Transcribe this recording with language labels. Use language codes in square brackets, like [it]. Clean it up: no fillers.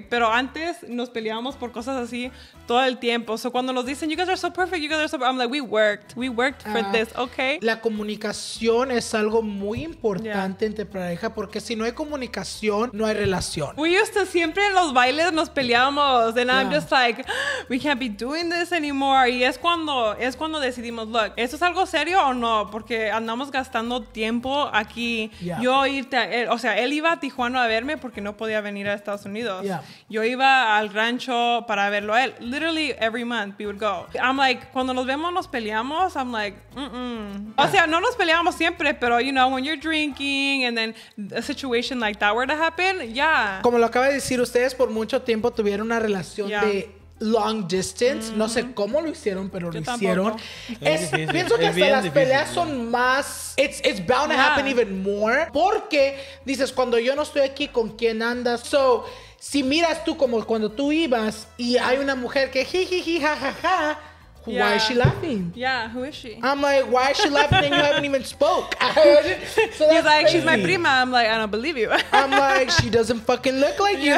[es] Pero antes nos peleábamos por cosas así todo el tiempo. [en] So [es] cuando nos dicen, [en] you guys are so perfect. I'm like, we worked for this, okay. [es] La comunicación es algo muy importante entre pareja porque si no hay comunicación, no hay relación. [en] We used to, [es] siempre en los bailes nos peleábamos. [en] And I'm just like, we can't be doing this anymore. [es] Y es cuando decidimos, [en] look, [es] ¿esto es algo serio o no? Porque andamos gastando tiempo aquí. Yo irte a, o sea, él iba a Tijuana a verme porque no podía venir a Estados Unidos. Yo iba al rancho para verlo a él. [en] Literally every month we would go. I'm like, [es] cuando nos vemos nos peleamos, [en] I'm like, [es] O sea, no nos peleamos siempre, pero [en] you know, when you're drinking and then a situation like that were to happen, [es] Como lo acaba de decir, ustedes por mucho tiempo tuvieron una relación de [en] long distance. [es] No sé cómo lo hicieron, pero lo hicieron. Pienso que hasta las peleas son más, [en] it's bound to happen even more. [es] Porque dices, cuando yo no estoy aquí, ¿con quién andas? So, si miras tú como cuando tú ibas y hay una mujer que jijiji, jajaja, [en] why is she laughing? Yeah, who is she? I'm like, why is she laughing and you haven't even spoke? So he's like, she's my prima. I'm like, I don't believe you. I'm like, she doesn't fucking look like you.